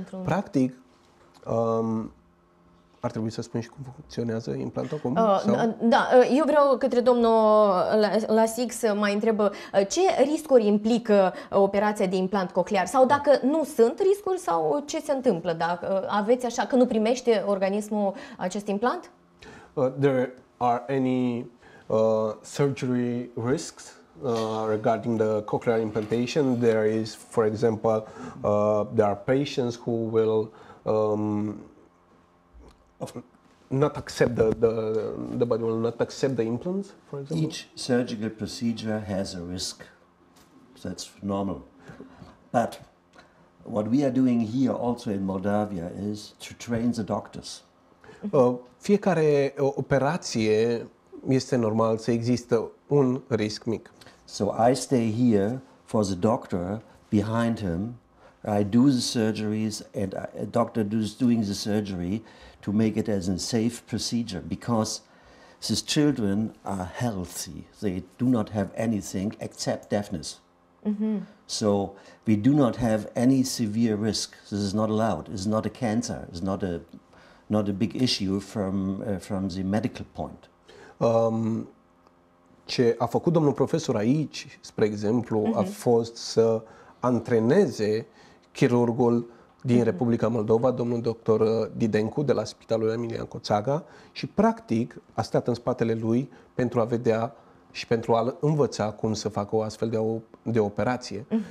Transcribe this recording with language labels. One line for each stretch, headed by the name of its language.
Romanian: Practic, ar trebui să spun și cum funcționează implantul acum? Da, eu vreau către domnul Lasic să mai întreb ce riscuri implică operația de implant cochlear sau dacă nu sunt riscuri sau ce se întâmplă dacă aveți așa că nu primește organismul acest implant?
English: There are any surgery risks regarding the cochlear implantation. There is, for example, there are patients who will not accept the body will not accept the implants, for example. Each surgical procedure has a risk. That's normal. But what we are doing here also in Moldavia is to train the doctors.
Romanian: Fiecare operație este normal să există un risc mic.
English: So I stay here for the doctor behind him. I do the surgeries and a doctor is doing the surgery to make it as a safe procedure because these children are healthy. They do not have anything except deafness. So we do not have any severe risk. This is not allowed. It's not a cancer. It's not a big issue from the medical point.
Romanian: Ce a făcut domnul profesor aici, spre exemplu, a fost să antreneze chirurgul din Republica Moldova, domnul doctor Didencu de la Spitalul Emilian Coțaga, și practic a stat în spatele lui pentru a vedea și pentru a-l învăța cum să facă o astfel de operație.